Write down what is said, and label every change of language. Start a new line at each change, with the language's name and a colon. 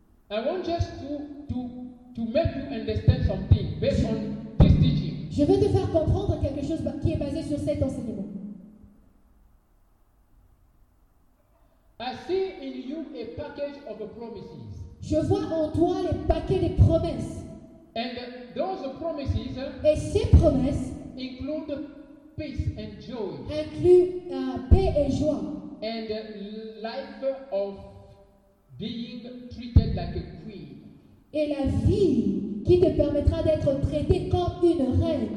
English: I want just to make you understand something based on.
French: Je veux te faire comprendre quelque chose qui est basé sur cet enseignement.
English: I see in you a package of promises.
French: Je vois en toi les paquets de promesses.
English: And those promises,
French: et ces promesses
English: include peace and joy.
French: Incluent paix et joie.
English: And life of being treated like a queen.
French: Et la vie qui te permettra d'être traité comme une reine.